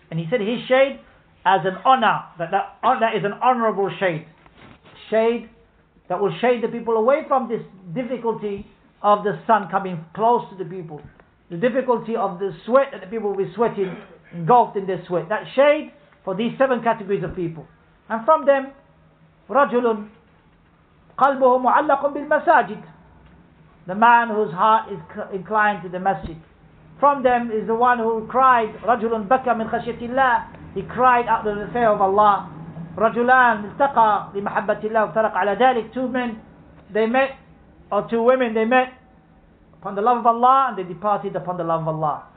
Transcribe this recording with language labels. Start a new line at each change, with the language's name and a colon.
English: And he said his shade as an honor, that honor is an honorable shade. Shade that will shade the people away from this difficulty of the sun coming close to the people. The difficulty of the sweat that the people will be sweating, engulfed in their sweat. That shade for these seven categories of people. And from them,
Arabic: رَجُلٌ قَلْبُهُ مُعَلَّقٌ بِالْمَسَاجِدِ.
English: The man whose heart is inclined to the masjid. From them is the one who cried,
Arabic: رَجُلٌ بَكَى مِنْ خَشْيَةِ اللَّهِ.
English: He cried out of the fear of Allah.
Arabic: رَجُلًا اِلْتَقَى لِمَحَبَّةِ اللَّهِ وَفْتَرَقَ عَلَى ذَلِكَ.
English: Two men, they met, or two women, they met upon the love of Allah, and they departed upon the love of Allah.